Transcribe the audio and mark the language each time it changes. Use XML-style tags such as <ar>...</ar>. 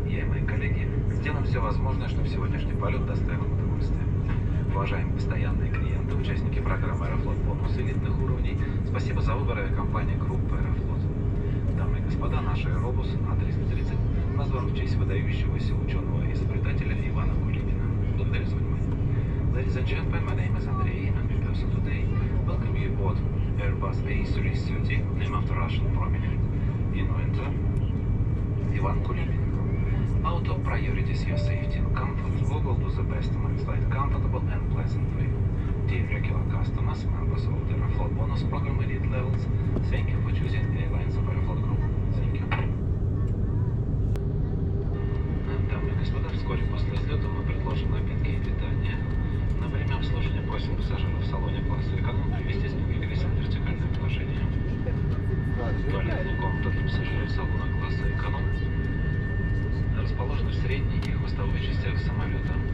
<ru>Я и мои коллеги сделаем все возможное, чтобы сегодняшний полет доставил вам удовольствие. Уважаемые постоянные клиенты, участники программы «Аэрофлот» бонус элитных уровней, спасибо за выбор авиакомпании группы «Аэрофлот». Дамы и господа, наш Airbus A330 назван в честь выдающегося ученого-изобретателя Ивана Кулибина. Благодарю за внимание.</ru> <en>Ladies and gentlemen, my name is Andrei, and in person today, welcome you aboard Airbus A330, named after Russian prominent inventor Ivan Kulibin. Our top priority is your safety and comfort. We will do the best to make flight comfortable and pleasant for you. Dear regular customers, members of the Aeroflot bonus program elite levels, thank you for choosing Airlines of Aeroflot Group. Thank you.</en> <ru>Дамы и господа, вскоре после взлета мы предложим напитки и питание. На время обслуживания просим пассажиров в салоне класса эконом привести спинкрисом в вертикальное положение. Туалетная комната для пассажиров салона класса эконом расположена в средней и хвостовой частях самолета.</ru>